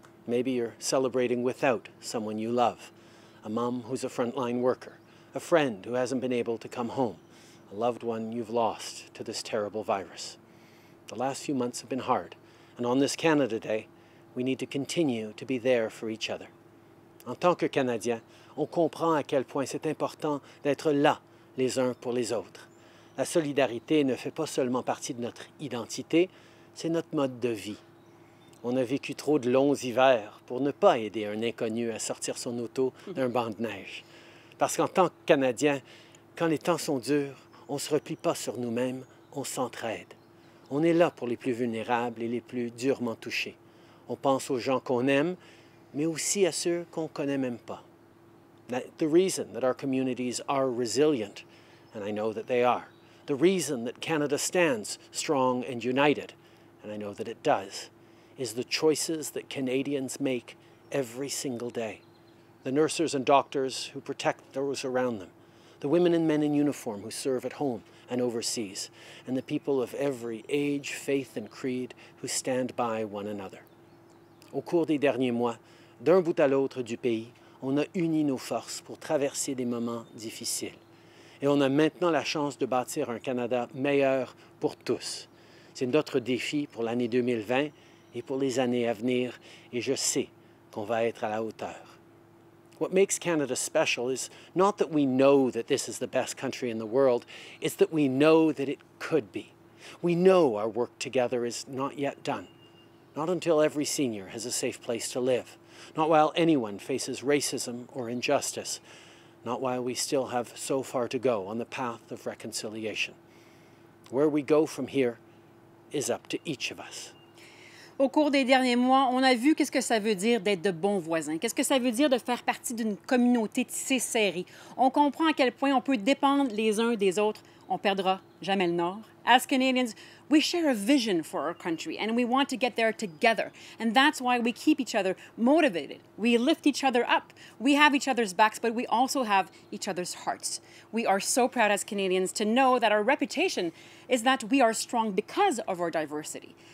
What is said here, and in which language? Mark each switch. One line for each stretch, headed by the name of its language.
English: Maybe you're celebrating without someone you love, a mom who's a frontline worker, a friend who hasn't been able to come home, a loved one you've lost to this terrible virus. The last few months have been hard, and on this Canada Day, we need to continue to be there for each other.
French: En tant que Canadien, on comprend à quel point c'est important d'être là les uns pour les autres. La solidarité ne fait pas seulement partie de notre identité, c'est notre mode de vie. On a vécu trop de longs hivers pour ne pas aider un inconnu à sortir son auto d'un banc de neige. Parce qu'en tant que Canadien, quand les temps sont durs, on ne se replie pas sur nous-mêmes, on s'entraide. On est là pour les plus vulnérables et les plus durement touchés. On pense aux gens qu'on aime, mais aussi à ceux qu'on ne connaît même pas.
English: The reason that our communities are resilient, and I know that they are, the reason that Canada stands strong and united, and I know that it does, is the choices that Canadians make every single day. The nurses and doctors who protect those around them, the women and men in uniform who serve at home and overseas, and the people of every age, faith, and creed who stand by one another.
French: Au cours des derniers mois, d'un bout à l'autre du pays, on a uni nos forces pour traverser des moments difficiles. Et on a maintenant la chance de bâtir un Canada meilleur pour tous. C'est notre défi pour l'année 2020 et pour les années à venir, et je sais qu'on va être à la hauteur.
English: What makes Canada special is not that we know that this is the best country in the world, it's that we know that it could be. We know our work together is not yet done. Not until every senior has a safe place to live. Not while anyone faces racism or injustice. Not while we still have so far to go on the path of reconciliation. Where we go from here is up to each of us.
French: Au cours des derniers mois, on a vu qu'est-ce que ça veut dire d'être de bons voisins. Qu'est-ce que ça veut dire de faire partie d'une communauté tissée serrée. On comprend à quel point on peut dépendre les uns des autres. On perdra jamais le Nord.
English: As Canadians, we share a vision for our country and we want to get there together. And that's why we keep each other motivated. We lift each other up. We have each other's backs, but we also have each other's hearts. We are so proud as Canadians to know that our reputation is that we are strong because of our diversity.